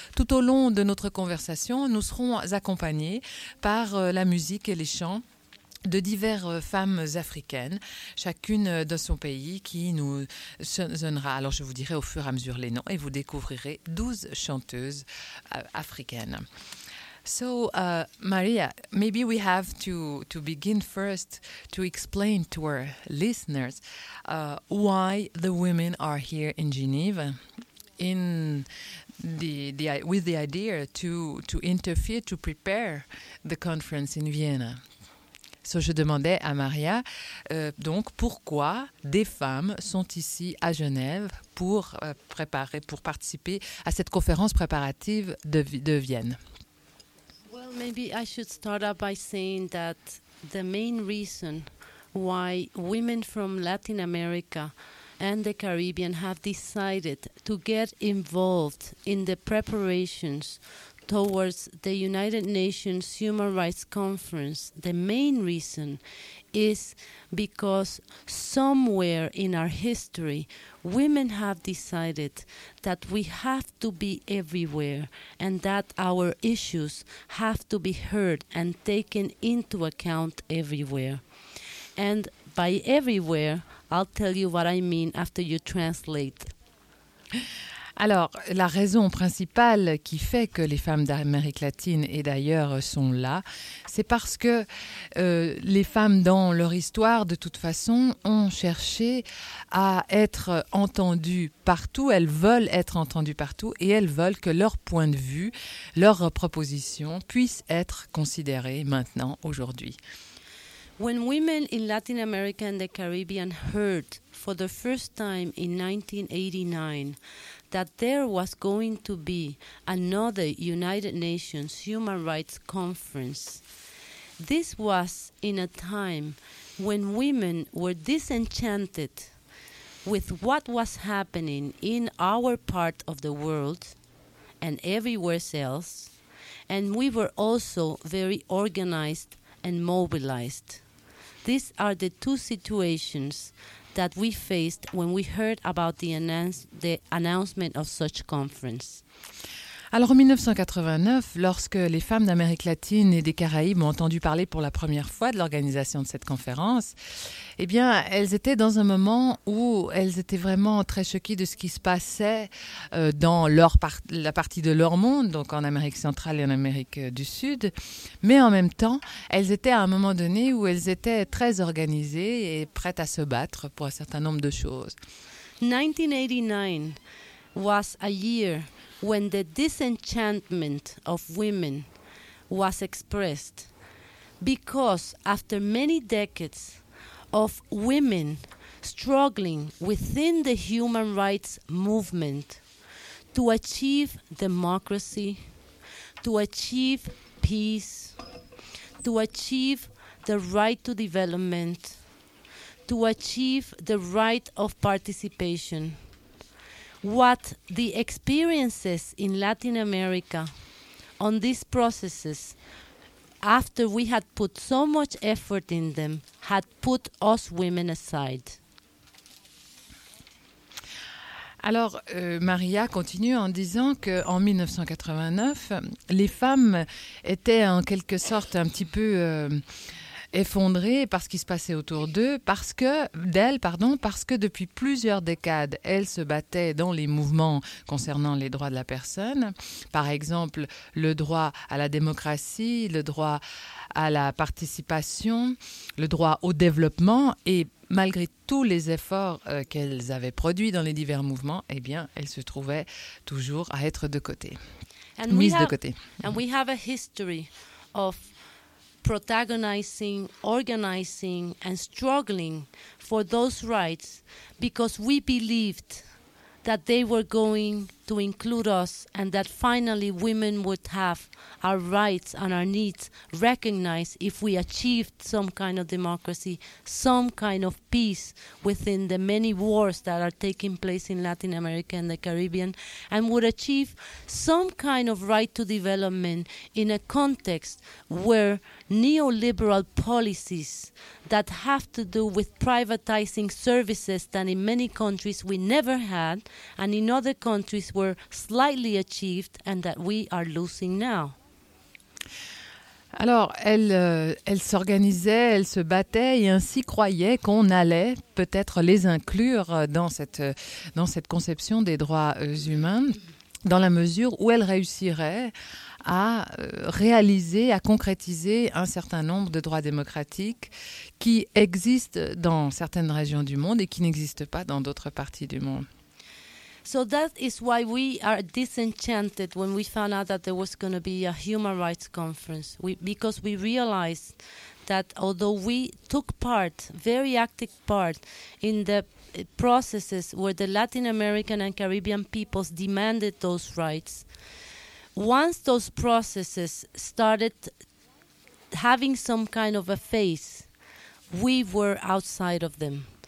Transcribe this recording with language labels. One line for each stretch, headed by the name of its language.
French: Tout au long de notre conversation, nous serons accompagnés par la musique et les chants de diverses femmes africaines, chacune de son pays, qui nous sonnera. Alors je vous dirai au fur et à mesure les noms et vous découvrirez 12 chanteuses africaines.
English: So, Maria, maybe we have to begin first to explain to our listeners why the women are here in Geneva in with the idea to interfere, to prepare the conference in Vienna.
French: So, je demandais à Maria, donc pourquoi des femmes sont ici à Genève pour préparer, pour participer à cette conférence préparative de Vienne.
English: Well, maybe I should start up by saying that the main reason why women from Latin America and the Caribbean have decided to get involved in the preparations towards the United Nations Human Rights Conference, the main reason is because somewhere in our history, women have decided that we have to be everywhere and that our issues have to be heard and taken into account everywhere. And by everywhere, I'll tell you what I mean after you translate.
French: Alors, la raison principale qui fait que les femmes d'Amérique latine et d'ailleurs sont là, c'est parce que les femmes dans leur histoire, de toute façon, ont cherché à être entendues partout, elles veulent être entendues partout et elles veulent que leur point de vue, leur proposition puisse être considérée maintenant, aujourd'hui.
English: When women in Latin America and the Caribbean heard for the first time in 1989 that there was going to be another United Nations Human Rights Conference, this was in a time when women were disenchanted with what was happening in our part of the world and everywhere else, and we were also very organized and mobilized. These are the two situations that we faced when we heard about the announcement of such conference.
French: Alors en 1989, lorsque les femmes d'Amérique latine et des Caraïbes ont entendu parler pour la première fois de l'organisation de cette conférence, eh bien, elles étaient dans un moment où elles étaient vraiment très choquées de ce qui se passait dans leur la partie de leur monde, donc en Amérique centrale et en Amérique du Sud. Mais en même temps, elles étaient à un moment donné où elles étaient très organisées et prêtes à se battre pour un certain nombre de choses.
English: 1989 was a year when the disenchantment of women was expressed, because after many decades of women struggling within the human rights movement to achieve democracy, to achieve peace, to achieve the right to development, to achieve the right of participation, what the experiences in Latin America on these processes, after we had put so much effort in them, had put us women aside.
French: Alors, Maria continue en disant qu'en 1989, les femmes étaient en quelque sorte un petit peu effondrées par ce qui se passait autour d'elles, parce que depuis plusieurs décades, elles se battaient dans les mouvements concernant les droits de la personne. Par exemple, le droit à la démocratie, le droit à la participation, le droit au développement. Et malgré tous les efforts qu'elles avaient produits dans les divers mouvements, eh bien, elles se trouvaient toujours à être de côté, mises de côté.
English: And we have a history of protagonizing, organizing, and struggling for those rights because we believed that they were going to include us and that finally women would have our rights and our needs recognized if we achieved some kind of democracy, some kind of peace within the many wars that are taking place in Latin America and the Caribbean, and would achieve some kind of right to development in a context where neoliberal policies that have to do with privatizing services that in many countries we never had and in other countries were slightly achieved and that we are losing now.
French: Alors, elle s'organisait, elle se battait et ainsi croyait qu'on allait peut-être les inclure dans cette conception des droits humains, dans la mesure où elle réussirait à réaliser, à concrétiser un certain nombre de droits démocratiques qui existent dans certaines régions du monde et qui n'existent pas dans d'autres parties du monde.
English: So that is why we are disenchanted when we found out that there was going to be a human rights conference, because we realized that although we took part, very active part, in the processes where the Latin American and Caribbean peoples demanded those rights, once those processes started having some kind of a face, we were outside of them.